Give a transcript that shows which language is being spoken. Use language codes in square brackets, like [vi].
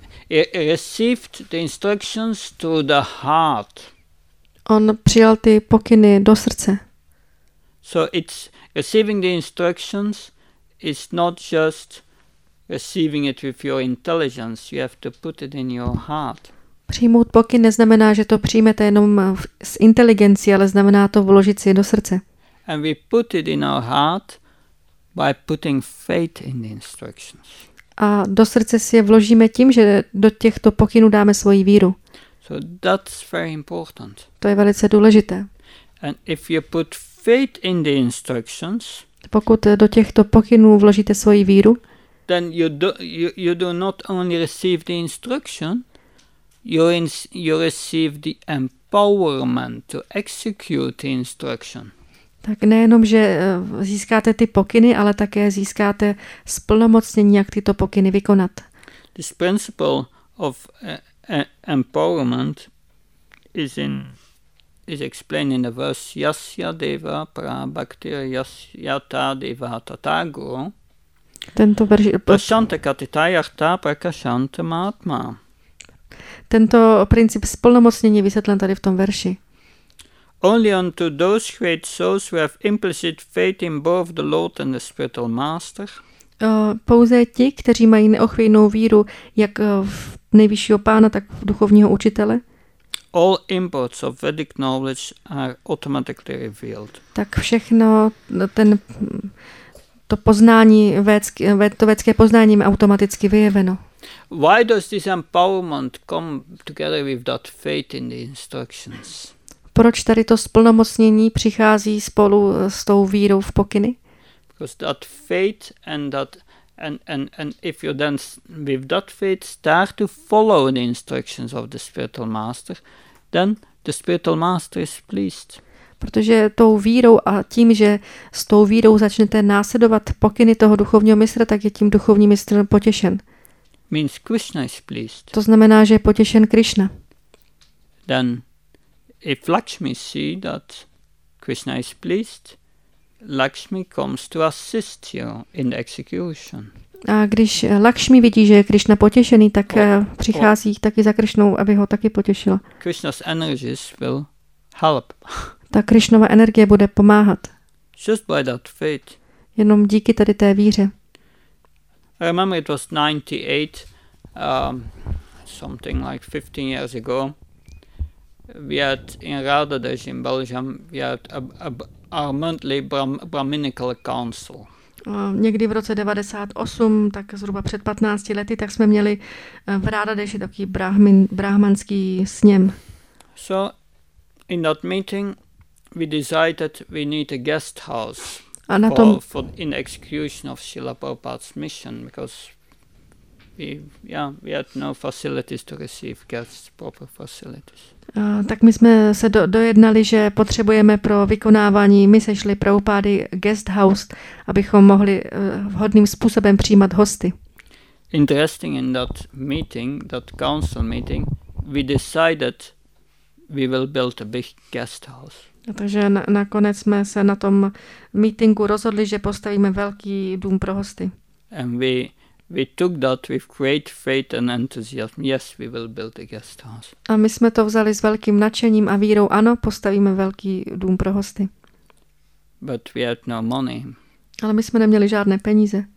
[en] He received the instructions to the heart. [cs] On přijal ty pokyny do srdce. [en] So it's receiving the instructions is not just receiving it with your intelligence. You have to put it in your heart. [cs] Přijmout pokyn neznamená, že to přijmete jenom s inteligencí, ale znamená to vložit si do srdce. [en] And we put it in our heart by putting faith in the instructions. [cs] A do srdce si je vložíme tím, že do těchto pokynů dáme svoji víru. [en] So that's very important. [cs] To je velice důležité. [en] And if you put faith in the instructions, [cs] pokud do těchto pokynů vložíte svoji víru, [en] then you do not only receive the instruction, you receive the empowerment to execute the instruction. [cs] Tak nejenom, že získáte ty pokyny, ale také získáte splnomocnění, jak tyto pokyny vykonat. [en] This principle of empowerment is explained in the verse [sa] Yasya Deva Pra Bhaktir Yata Deva Tatagu. [cs] Tento verš... [sa] Prashanta Katita Yarta Prakashanta Mahatma. [cs] Tento princip splnomocnění vysvětlen tady v tom verši. [en] Only unto those great souls who have implicit faith in both the Lord and the spiritual master. [cs] Pouze ti, kteří mají neochvějnou víru jak v nejvyššího pána, tak v duchovního učitele. [en] All imports of Vedic knowledge are automatically revealed. [cs] Tak všechno to poznání vědecké poznání je automaticky vyjeveno. [en] Why does this empowerment come together with that faith in the instructions? [cs] Proč tady to splnomocnění přichází spolu s tou vírou v pokyny? [en] Because that faith and if you then with that faith start to follow the instructions of the spiritual master, then the spiritual master is pleased. [cs] Protože tou vírou a tím, že s tou vírou začnete následovat pokyny toho duchovního mistra, tak je tím duchovní mistr potěšen. [en] Means Krishna is pleased. [cs] To znamená, že je potěšen Krishna. [en] Then if Lakshmi see that Krishna is pleased, Lakshmi comes to assist you in the execution. [cs] A když Lakshmi vidí, že je Krishna potěšený, tak přichází taky za Krishnou, aby ho taky potěšila. [en] Krishna's energies will help. [cs] Ta Krishnova energie bude pomáhat. [en] Just by that faith. [cs] Jenom díky tady té víře. [en] I remember it was 98, something like 15 years ago. We had in Radadesh in Belgium, we had our monthly Brahminical council. [cs] Někdy v roce 98, tak zhruba před 15 lety, tak jsme měli v Radadeši takový brahmanský sněm. [en] So in that meeting we decided we need a guest house for in execution of Srila Prabhupada's mission, because we had no facilities to receive guests, proper facilities. [cs] Tak my jsme se dojednali, že potřebujeme pro vykonávání mise Šily Prabhupády guest house, abychom mohli vhodným způsobem přijímat hosty. [en] Interesting in that meeting, that council meeting, we decided we will build a big guest house. [cs] Takže nakonec jsme se na tom meetingu rozhodli, že postavíme velký dům pro hosty. [en] And we took that with great faith and enthusiasm. Yes, we will build a guest house. [cs] A my jsme to vzali s velkým nadšením a vírou. Ano, postavíme velký dům pro hosty. [en] But we had no money. [cs] Ale my jsme neměli žádné peníze.